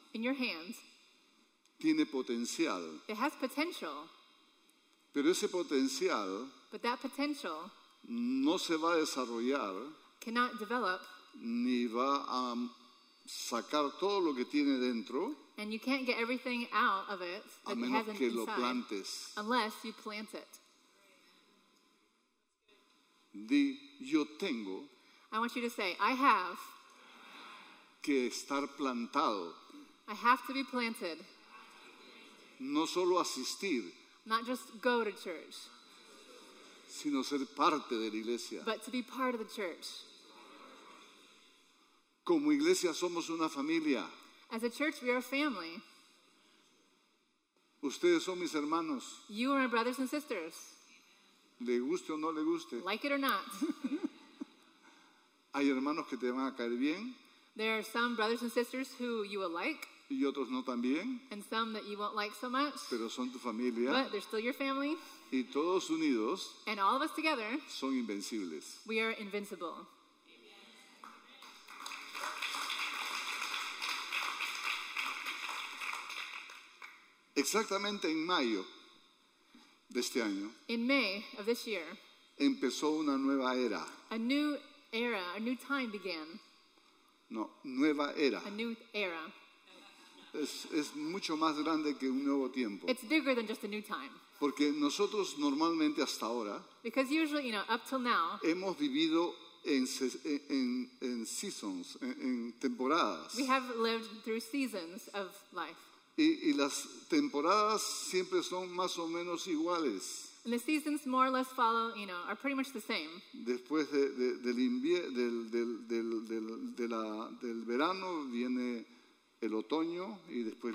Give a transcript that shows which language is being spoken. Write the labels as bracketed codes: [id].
[en] In your hands. [es] Tiene potencial. [en] It has potential. [es] Pero ese potencial. [en] But that potential. [es] No se va a desarrollar. [en] Cannot develop. [es] Ni va a sacar todo lo que tiene dentro. [en] And you can't get everything out of it that it has inside. [es] A menos que lo plantes. [en] Unless you plant it. [es] Di, yo tengo. [en] I want you to say, I have [es] que estar plantado. [en] I have to be planted. [es] No solo asistir. [en] Not just go to church. [es] Sino ser parte de la iglesia. [en] But to be part of the church. [es] Como iglesia somos una familia. [en] As a church, we are a family. [es] Ustedes son mis hermanos. [en] You are my brothers and sisters. [es] Le guste o no le guste. [en] Like it or not. [es] Hay hermanos que te van a caer bien. [en] There are some brothers and sisters who you will like. [es] Y otros no tan bien. [en] And some that you won't like so much. [es] Pero son tu familia. [en] But they're still your family. [es] Y todos unidos. [en] And all of us together. [es] Son invencibles. [en] We are invincible. [es] Exactamente en mayo de este año. [en] In May of this year. [es] Empezó una nueva era. [en] A new time began. [es] No, nueva era. [en] A new era. [es] Es mucho más grande que un nuevo tiempo. [en] It's bigger than just a new time. [es] Porque nosotros normalmente hasta ahora. [en] Because usually, you know, up till now. [es] Hemos vivido en seasons, en temporadas. [en] We have lived through seasons of life. [es] Y las temporadas siempre son más o menos iguales. [en] And the seasons more or less follow, you know, are pretty much the same. [es] Después del verano viene el otoño y después